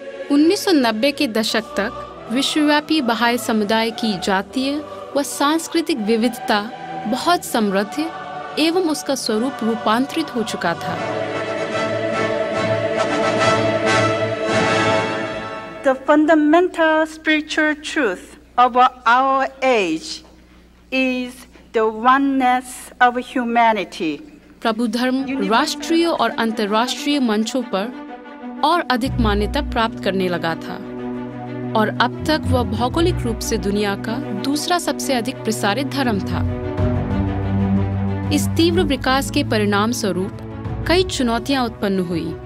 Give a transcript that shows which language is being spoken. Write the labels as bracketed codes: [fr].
[hi] 90 के दशक तक विश्वव्यापी बहाई समुदाय की जातीय व सांस्कृतिक विविधता बहुत समृद्ध एवं उसका स्वरूप रूपांतरित हो चुका था। [en] The fundamental spiritual truth of our age is the oneness of humanity. [hi] प्रभु धर्म राष्ट्रीय और अंतर्राष्ट्रीय मंचों पर और अधिक मान्यता प्राप्त करने लगा था और अब तक वह भौगोलिक रूप से दुनिया का दूसरा सबसे अधिक प्रसारित धर्म था। इस तीव्र विकास के परिणाम स्वरूप कई चुनौतियां उत्पन्न हुई।